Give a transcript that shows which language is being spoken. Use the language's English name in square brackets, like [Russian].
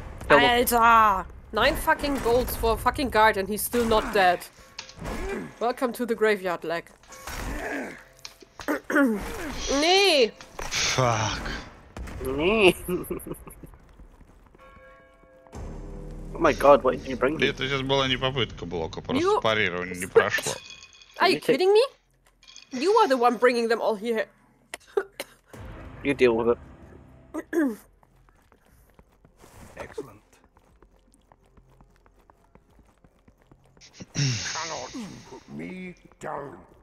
[English] Alter! 9 fucking golds for a fucking guard and he's still not dead. Welcome to the graveyard, Leg. [German] Nee! [English] Fuck. [German] Nee! [English] Oh my god, what did you bring me? [Russian] Это сейчас была не попытка блока, просто парирование не прошло. [English] Are you kidding me? You are the one bringing them all here. You deal with it. Excellent. Cannot put me down.